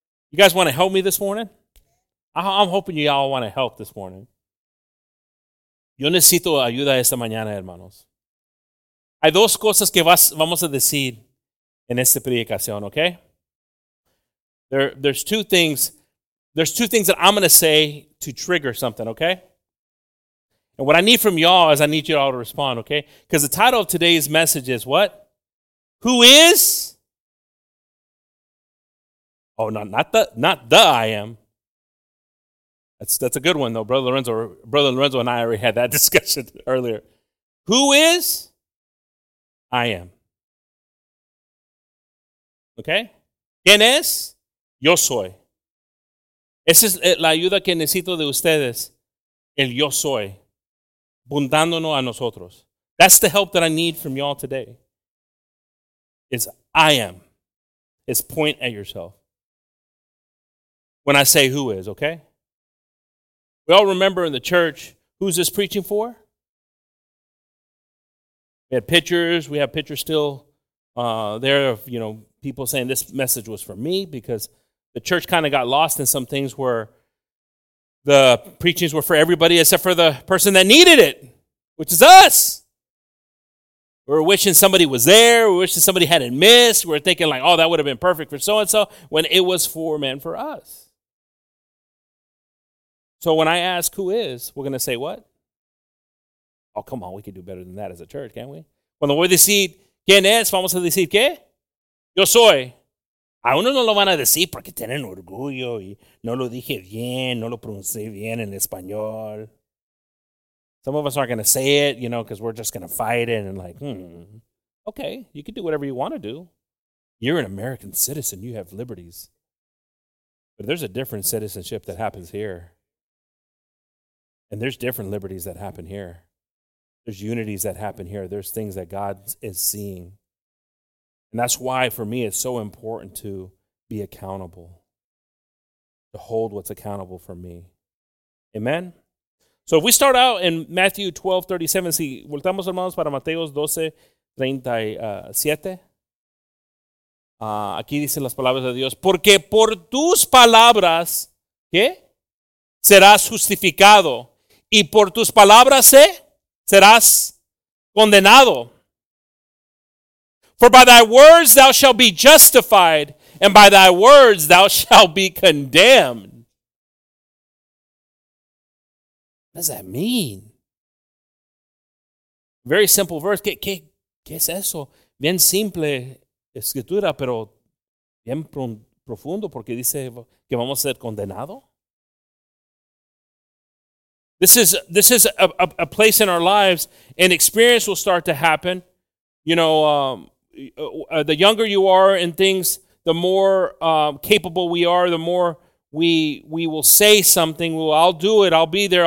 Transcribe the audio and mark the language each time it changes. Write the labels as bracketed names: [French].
[English] You guys want to help me this morning? I'm hoping you all want to help this morning. [Spanish] Yo necesito ayuda esta mañana, hermanos. Hay dos cosas que vamos a decir en esta predicación, okay? [English] There's two things that I'm going to say to trigger something, okay? And what I need from y'all is I need you all to respond, okay? Because the title of today's message is what? Who is? Oh, not the I am. That's a good one, though. Brother Lorenzo and I already had that discussion earlier. Who is? I am. [Spanish] Okay? ¿Quién es? Yo soy. Esa es la ayuda que necesito de ustedes. El yo soy. Bundándonos a nosotros. [English] That's the help that I need from y'all today. It's I am. It's point at yourself. When I say who is, okay? We all remember in the church, who's this preaching for? We had pictures. We have pictures still there of, you know, people saying this message was for me, because the church kind of got lost in some things where the preachings were for everybody except for the person that needed it, which is us. We were wishing somebody was there. We were wishing somebody hadn't missed. We were thinking like, oh, that would have been perfect for so-and-so, when it was for, man, for us. So when I ask who is, we're going to say what? Oh, come on, we can do better than that as a church, can't we? [Spanish] Cuando voy a decir quién es, vamos a decir qué? Yo soy. A uno no lo van a decir porque tienen orgullo y no lo dije bien, no lo pronuncié bien en español. [English] Some of us aren't going to say it, you know, because we're just going to fight it and like, okay, you can do whatever you want to do. You're an American citizen. You have liberties. But there's a different citizenship that happens here. And there's different liberties that happen here. There's unities that happen here. There's things that God is seeing. And that's why, for me, it's so important to be accountable, to hold what's accountable for me. Amen? So if we start out in Matthew 12:37, [Spanish] si voltamos, hermanos, para Mateo 12:37, aquí dicen las palabras de Dios, porque por tus palabras, ¿qué? Serás justificado. Y por tus palabras serás condenado. [English] For by thy words thou shalt be justified, and by thy words thou shalt be condemned. What does that mean? Very simple verse. [Spanish] ¿Qué es eso? Bien simple escritura, pero bien profundo, porque dice que vamos a ser condenado. [English] This is a place in our lives, and experience will start to happen. You know, the younger you are in things, the more capable we are, the more we will say something. Well, I'll do it. I'll be there.